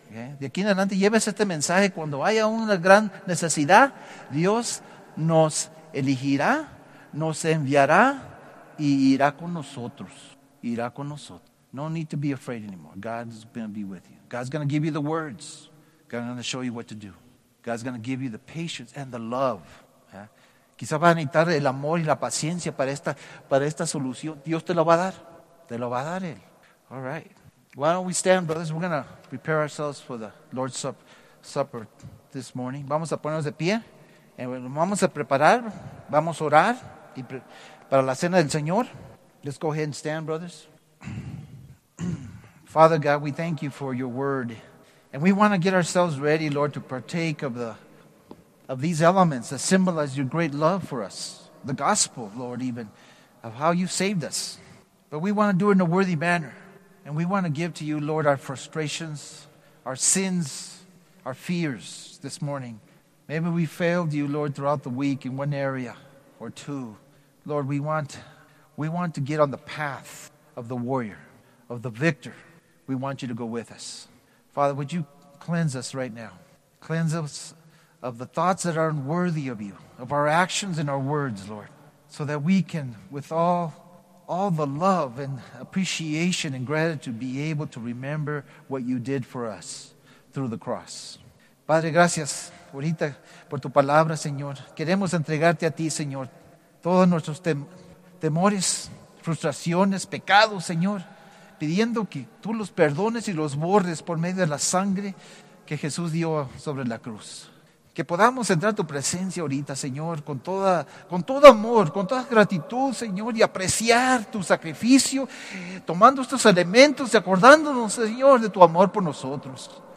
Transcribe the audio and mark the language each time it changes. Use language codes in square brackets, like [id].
[en] Okay? [es] De aquí en adelante, lleves este mensaje. Cuando haya una gran necesidad, Dios nos elegirá, nos enviará y irá con nosotros. Irá con nosotros. [en] No need to be afraid anymore. God's going to be with you. God's going to give you the words. God's going to show you what to do. God's going to give you the patience and the love Quizás vas a necesitar el amor y la paciencia para esta solución. Dios te lo va a dar. Te lo va a dar Él. All right. Why don't we stand, brothers? We're going to prepare ourselves for the Lord's Supper this morning. [es] Vamos a ponernos de pie. And vamos a preparar. Vamos a orar y para la cena del Señor. [en] Let's go ahead and stand, brothers. Father God, we thank you for your word. And we want to get ourselves ready, Lord, to partake of the of these elements that symbolize your great love for us, the gospel, Lord, even, of how you saved us. But we want to do it in a worthy manner. And we want to give to you, Lord, our frustrations, our sins, our fears this morning. Maybe we failed you, Lord, throughout the week in one area or two. Lord, we want to get on the path of the warrior, of the victor. We want you to go with us. Father, would you cleanse us right now? Cleanse us of the thoughts that are unworthy of you, of our actions and our words, Lord, so that we can, with all the love and appreciation and gratitude, be able to remember what you did for us through the cross. [es] Padre, gracias ahorita por tu palabra, Señor. Queremos entregarte a ti, Señor, todos nuestros temores, frustraciones, pecados, Señor, pidiendo que tú los perdones y los borres por medio de la sangre que Jesús dio sobre la cruz. Que podamos entrar a tu presencia ahorita, Señor, con todo amor, con toda gratitud, Señor, y apreciar tu sacrificio, tomando estos elementos y acordándonos, Señor, de tu amor por nosotros.